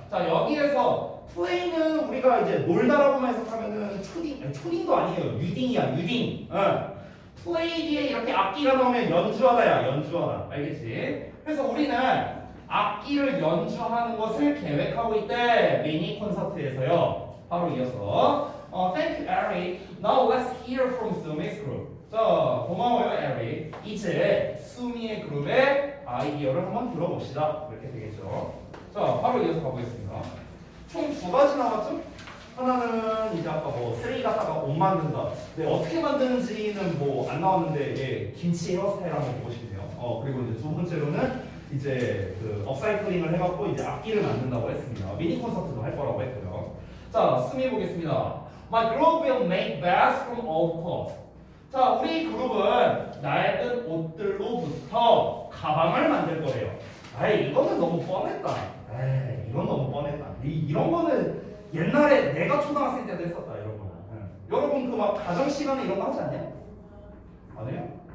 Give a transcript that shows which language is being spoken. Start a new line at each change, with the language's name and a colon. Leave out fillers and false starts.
Korean: 자 여기에서 play는 우리가 이제 놀다라고만 해석하면은 초딩도 아니에요. 유딩이야 유딩. 플레이 뒤에 이렇게 악기가 나오면 연주하다야 연주하다. 알겠지? 그래서 우리는 악기를 연주하는 것을 계획하고 있대. 미니 콘서트에서요. 바로 이어서
English: Thank you, Eric. Now let's hear from Sumi's group.
Korean: 자, 고마워요, Eric. 이제 수미의 그룹의 아이디어를 한번 들어봅시다. 이렇게 되겠죠. 자, 바로 이어서 가보겠습니다. 총 두 가지 나왔죠? 하나는 이제 아까 뭐 쓰레기 갖다가 옷 만든다. 근데 어떻게 만드는지는 뭐 안 나왔는데 이게 김치 헤어스타일 한번 보시네요. 그리고 이제 두 번째로는 이제 그 업사이클링을 해갖고 이제 악기를 만든다고 했습니다. 미니 콘서트도 할 거라고 했고요. 자, 수미 보겠습니다.
English: My group will make bags from old clothes.
Korean: 자, 우리 그룹은 낡은 옷들로부터 가방을 만들 거예요. 아이, 이거는 너무 뻔했다. 이건 너무 뻔했다. 이런 거는 옛날에 내가 초등학생 때도 했었다, 이런 거는. 응. 여러분, 그 막 가정 시간에 이런 거 하지 않냐? 아니요?